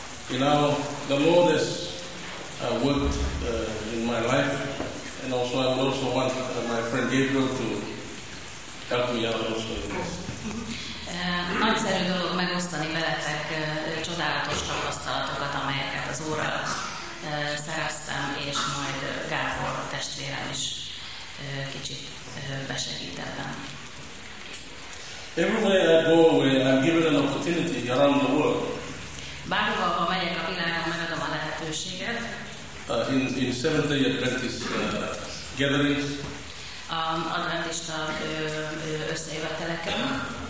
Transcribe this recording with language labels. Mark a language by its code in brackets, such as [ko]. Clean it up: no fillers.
[en] You know, the Lord has worked in my life, and also I would also want my friend Gabriel to help me out also in this. [hu] Nagyszerű dolog megosztani veletek csodálatos tapasztalatokat, amelyeket az Úrral szereztem, és majd Gábor a testvérem is kicsit besegít ebben. [en] Everywhere I go, I'm given an opportunity around the world. [hu] Bárhova, ha megyek a világon, megadom a lehetőséget. [en] In Seventh-day Adventist gatherings. [hu] Adventista összejöveteleken.